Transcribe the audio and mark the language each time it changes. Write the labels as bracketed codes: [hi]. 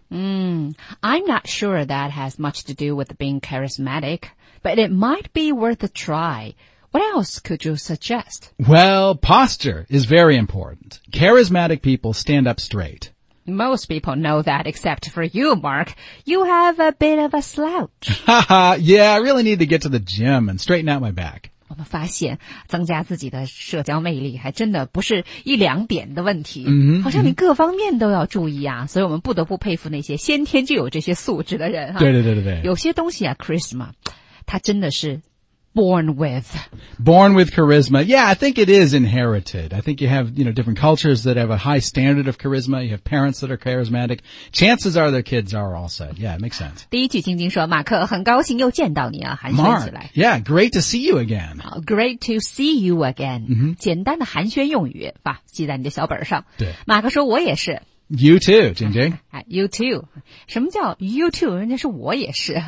[en] I'm not sure that has much to do with being charismatic, but it might be worth a try. What else could you suggest? Well, posture is very important. Charismatic people stand up straight. Most people know that except for you, Mark. You have a bit of a slouch. Yeah, I really need to get to the gym and straighten out my back. [zh] 我们发现增加自己的社交魅力还真的不是一两点的问题、 mm-hmm. 好像你各方面都要注意啊，所以我们不得不佩服那些先天就有这些素质的人、啊、对对对对对，有些东西啊 charisma 它真的是 born with [en] charisma. Yeah, I think it is inherited. I think you have, you know, different cultures that have a high standard of charisma. You have parents that are charismatic. Chances are their kids are also. Yeah, it makes sense. [zh] 第一句晶晶说马克很高兴又见到你啊，寒暄起来。 [en] Mark, yeah, great to see you again. Great to see you again.、 Mm-hmm. [zh] 简单的寒暄用语吧，记在你的小本上。对。马克说我也是。 [en] You too, Jingjing. [zh] You too. 什么叫 you too? 人家是我也是。